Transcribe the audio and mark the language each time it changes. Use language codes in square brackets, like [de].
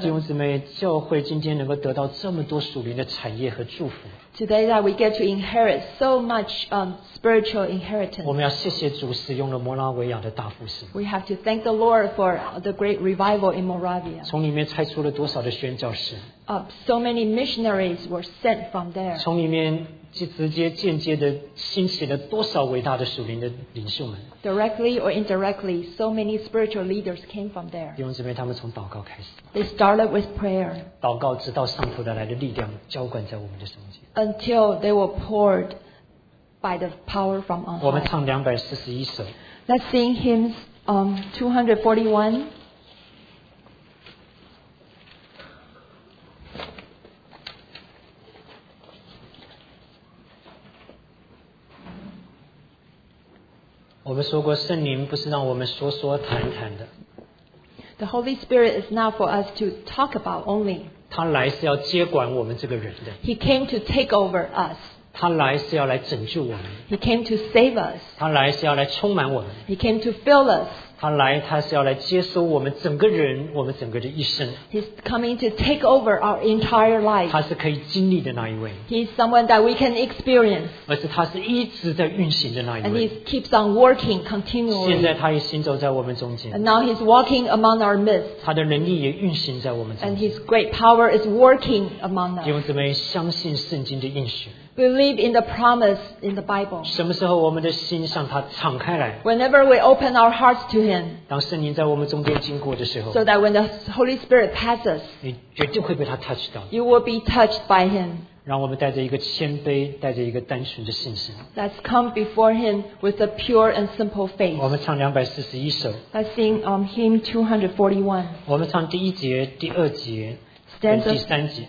[zh] 弟兄姊妹，教会今天能够得到这么多属灵的产业和祝福。 [en] Today that we get to inherit so much spiritual inheritance. [zh] 我们要谢谢主使用了摩拉维亚的大复兴。 [en] We have to thank the Lord for the great revival in Moravia. [zh] 从里面拆出了多少的宣教士。 [en] So many missionaries were sent from there. [zh] 从里面直接间接的兴起了多少伟大的属灵的领袖们。 [en] Directly or indirectly, so many spiritual leaders came from there. [zh] 弟兄姊妹，他们从祷告开始。 [en] They started with prayer. [zh] 祷告直到上头的来的力量浇灌在我们的中间。 [en] Until they were poured by the power from on high. [zh] 我们唱241首。 [en] Let's sing hymns 241. [zh] 我们说过，圣灵不是让我们说说谈谈的。 [en] The Holy Spirit is not for us to talk about only. [zh] 他来是要接管我们这个人的。 [en] He came to take over us. [zh] 他他来是要来拯救我们。 [en] He came to save us. [zh] 他来是要来充满我们。 [en] He came to fill us. [zh] 他来，他是要来接收我们整个人，我们整个的一生。 [en] He's coming to take over our entire life. [zh] 他是可以经历的那一位。 [en] He's someone that we can experience. [zh] 而是他是一直在运行的那一位。 [en] And he keeps on working continually. [zh] 现在他也行走在我们中间。 [en] And now he's walking among our midst. [zh] 他的能力也运行在我们中间。 [en] And his great power is working among us. [zh] 弟兄姊妹，相信圣经的应许。 [en] Believe in the promise in the Bible. [zh] 什么时候我们的心向他敞开来？ [en] Whenever we open our hearts to Him. [zh] 当圣灵在我们中间经过的时候。 [en] So that when the Holy Spirit passes. [zh] 你绝对会被他 touch 到。 [en] You will be touched by Him. [zh] 让我们带着一个谦卑，带着一个单纯的信心。 [en] Let's come before Him with a pure and simple faith. [zh] 我们唱241首。 [en] Let's sing hymn 241. [zh] 我们唱第一节、第二节、第三节。